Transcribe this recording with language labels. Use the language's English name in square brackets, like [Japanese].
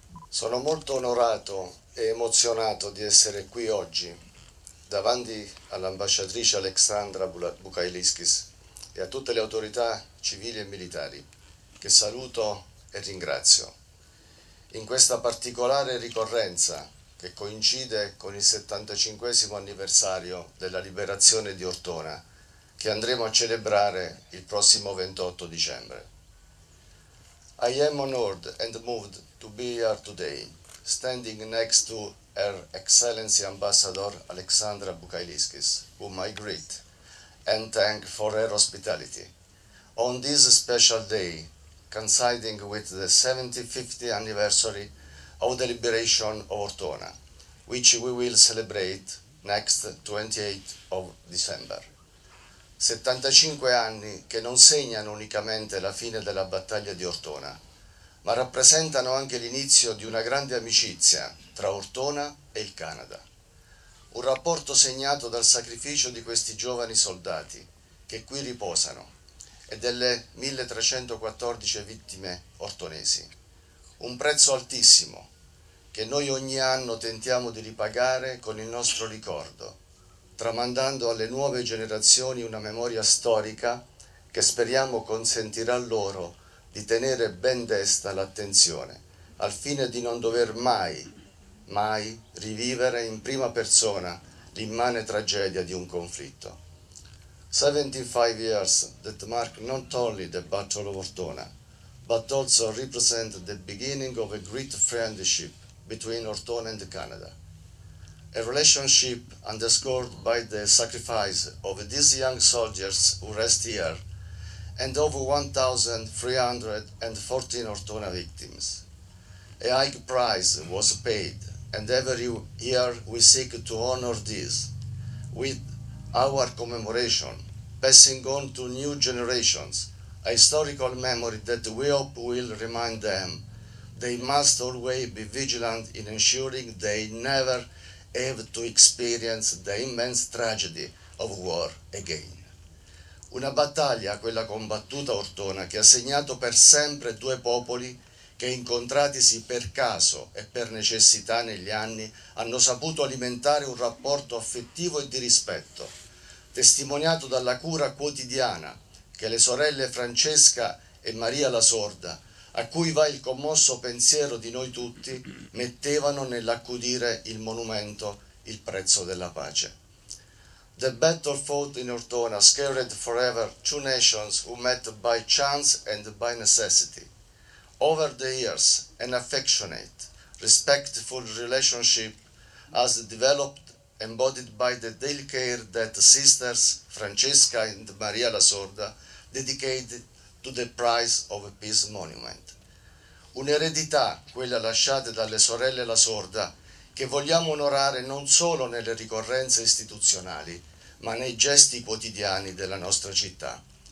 [Italian] Sono molto onorato e emozionato di essere qui oggi davanti all'ambasciatrice Aleksandra Bukailiskis e a tutte le autorità civili e militari che saluto e ringrazio. In questa particolare ricorrenza che coincide con il 75° anniversario della liberazione di Ortona che andremo a celebrare il prossimo 28 dicembre. [English] I am honored and moved to be here today, standing next to Her Excellency Ambassador Aleksandra Bukailiskis, whom I greet and thank for her hospitality on this special day, coinciding with the 75th anniversary of the liberation of Ortona, which we will celebrate next 28th of December. [Italian] 75 anni che non segnano unicamente la fine della battaglia di Ortona, ma rappresentano anche l'inizio di una grande amicizia tra Ortona e il Canada. Un rapporto segnato dal sacrificio di questi giovani soldati che qui riposano e delle 1314 vittime ortonesi. Un prezzo altissimo che noi ogni anno tentiamo di ripagare con il nostro ricordo, tramandando alle nuove generazioni una memoria storica che speriamo consentirà loro di tenere ben desta l'attenzione, al fine di non dover mai, mai rivivere in prima persona l'immane tragedia di un conflitto. [English] 75 years that mark not only the Battle of Ortona, but also represent the beginning of a great friendship between Ortona and Canada. A relationship underscored by the sacrifice of these young soldiers who rest here and of 1,314 Ortona victims. A high price was paid, and every year we seek to honor this with our commemoration, passing on to new generations a historical memory that we hope will remind them they must always be vigilant in ensuring they never have to experience the immense tragedy of war again. [Italian] Una battaglia, quella combattuta a Ortona, che ha segnato per sempre due popoli che, incontratisi per caso e per necessità negli anni, hanno saputo alimentare un rapporto affettivo e di rispetto, testimoniato dalla cura quotidiana che le sorelle Francesca e Maria la Sorda, a cui va il commosso pensiero di noi tutti, mettevano nell'accudire il monumento Il Prezzo della Pace. [English] The battle fought in Ortona scarred forever two nations who met by chance and by necessity. Over the years, an affectionate, respectful relationship has developed, embodied by the daily care that sisters Francesca and Maria la Sorda dedicated to the Prize of Peace Monument. [Italian] Un'eredità, quella lasciata dalle sorelle La Sorda, che vogliamo onorare non solo nelle ricorrenze istituzionali, ma nei gesti quotidiani della nostra città.